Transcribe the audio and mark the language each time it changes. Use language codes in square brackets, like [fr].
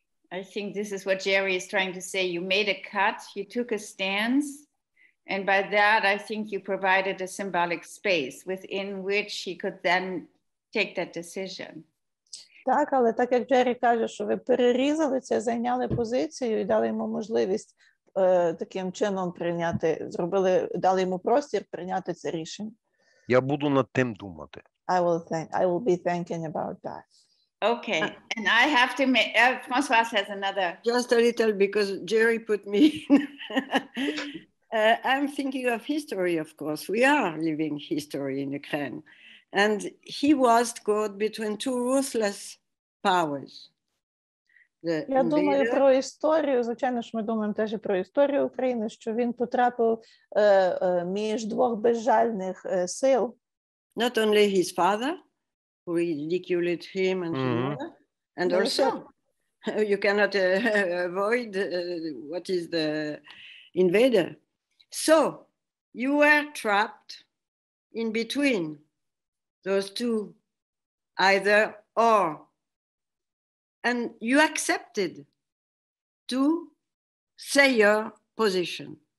[en] I think this is what Jerry is trying to say. You made a cut, you took a stance. And by that, I think you provided a symbolic space within which he could then take that decision. [uk] Так, але так як Джері каже, що ви перерізали це, зайняли позицію і дали йому можливість таким чином прийняти, зробили, дали йому простір прийняти це рішення. Я буду над тим думати. [en] I will be thinking about that. Okay, and I have to make, Françoise has another. Just a little, because Jerry put me in. I'm thinking of history, of course. We are living history in Ukraine. And he was caught between two ruthless powers. [uk] Я думаю про історію, звичайно, що ми думаємо теж про історію України, що він потрапив між двох безжальних сил. [en] Not only his father, who ridiculed him and his mother, and also you cannot avoid what is the invader. So you were trapped in between those two, either or, and you accepted to say your position.